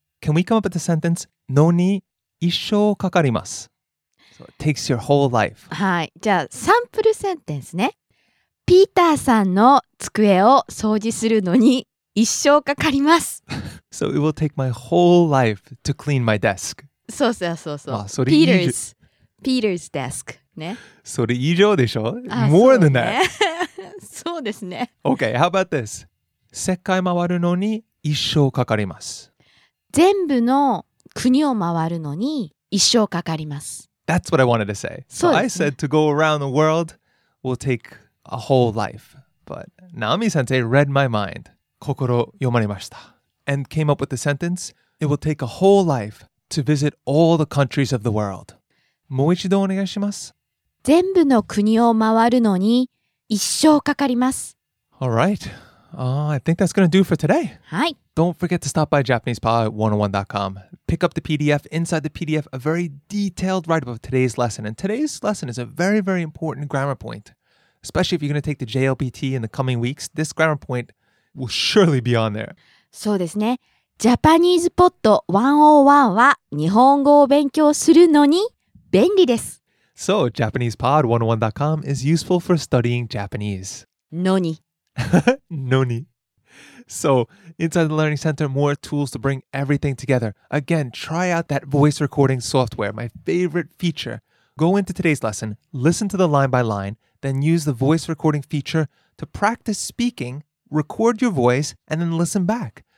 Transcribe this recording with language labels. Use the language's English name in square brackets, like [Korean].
[English] Can we come up with the sentence, [Japanese] のに一生かかります [English] So it takes your whole life. [Japanese] はい。じゃあ、サンプルセンテンスね。ピーターさんの机を掃除するのに一生かかります。 [English] So it will take my whole life to clean my desk. [Japanese] そうそうそうそう。まあ、それ以上。 [English] Peter's desk. ね、 [Japanese] それ以上でしょ [English] More than that. [Japanese] そうですね。 [English] Okay, how about this? [Japanese] 世界回るのに一生かかります。全部の国を回るのに一生かかります。 [English] That's what I wanted to say. So I said to go around the world will take a whole life. But Naomi-sensei read my mind. [Japanese] 心読まれました。 [English] And came up with the sentence, it will take a whole life to visit all the countries of the world. [Japanese] もう一度お願いします。全部の国を回るのに一生かかります。 [English] All right. I think that's going to do for today. [Japanese] はい。 [English] Don't forget to stop by JapanesePod101.com. Pick up the PDF. Inside the PDF, a very detailed write-up of today's lesson. And today's lesson is a very, very important grammar point. Especially if you're going to take the JLPT in the coming weeks, this grammar point will surely be on there. [Japanese] そうですね。 JapanesePod101 は日本語を勉強するのに便利です。 [English] So, JapanesePod101.com is useful for studying Japanese. [Japanese] のに。のに。 [English] So, inside the Learning Center, more tools to bring everything together. Again, try out that voice recording software, my favorite feature. Go into today's lesson, listen to the line by line, then use the voice recording feature to practice speaking, record your voice, and then listen back.